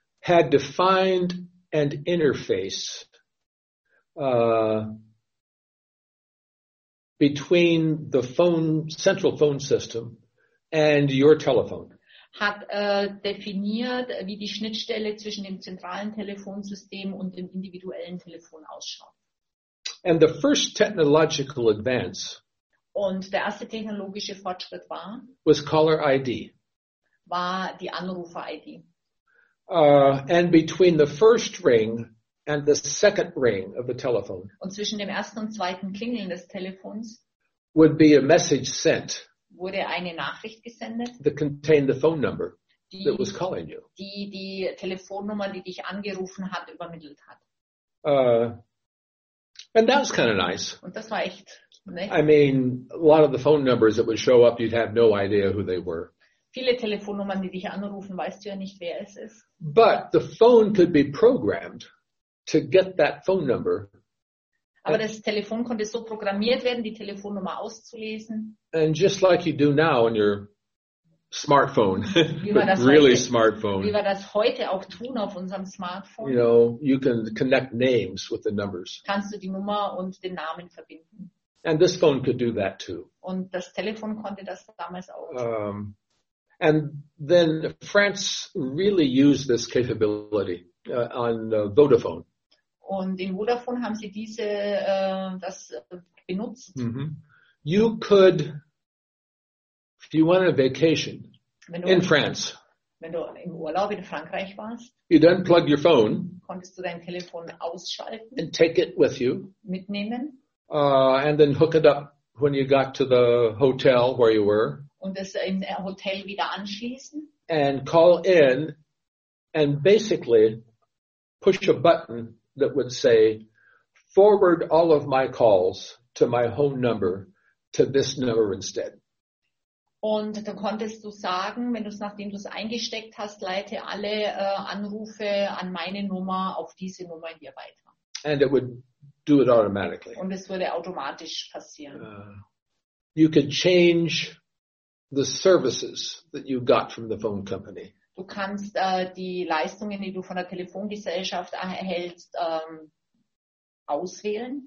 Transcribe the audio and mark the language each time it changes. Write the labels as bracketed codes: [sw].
[en] Had defined and interfaced between the phone central phone system and your telephone. [de] Hat definiert, wie die Schnittstelle zwischen dem zentralen Telefonsystem und dem individuellen Telefon ausschaut. [en] And the first technological advance. [de] Und der erste technologische Fortschritt war. [en] Was caller ID. [de] War die Anrufer ID. [en] And between the first ring and the second ring of the telephone. [de] Und zwischen dem ersten und zweiten Klingeln des Telefons. [en] Would be a message sent. [de] Wurde eine Nachricht gesendet, [en] that contained the phone number that was calling you. [de] Die Telefonnummer, die dich angerufen hat, übermittelt hat. [en] And that was kind of nice. [de] Und das war echt, ne? [en] I mean, a lot of the phone numbers that would show up, you'd have no idea who they were. [de] Viele Telefonnummern, die dich anrufen, weißt du ja nicht, wer es ist. [en] But the phone could be programmed to get that phone number. [de] Aber das Telefon konnte so programmiert werden, die Telefonnummer auszulesen. [en] And just like you do now on your smartphone, smartphone. [de] Wie wir das heute auch tun auf unserem Smartphone. [en] You know, you can connect names with the numbers. [de] Kannst du die Nummer und den Namen verbinden. [en] And this phone could do that too. [de] Und das Telefon konnte das damals auch. [en] And then France really used this capability on Vodafone. [de] Und in Vodafone haben sie diese das benutzt. Mm-hmm. [en] You could, if you went on a vacation in France, [de] wenn du im Urlaub in Frankreich warst, [en] you then plug your phone, [de] konntest du dein Telefon ausschalten, [en] and take it with you, [de] mitnehmen, [en] and then hook it up when you got to the hotel where you were, [de] und das im Hotel wieder anschließen, [en] and call in, and basically push a button that would say, forward all of my calls to my home number to this number instead. [de] Und dann konntest du sagen, wenn du es nachdem du es eingesteckt hast, leite alle Anrufe an meine Nummer auf diese Nummer hier weiter. [en] And it would do it automatically. [de] Und es würde automatisch passieren. [en] You could change the services that you got from the phone company. [de] Du kannst die Leistungen, die du von der Telefongesellschaft erhältst, auswählen.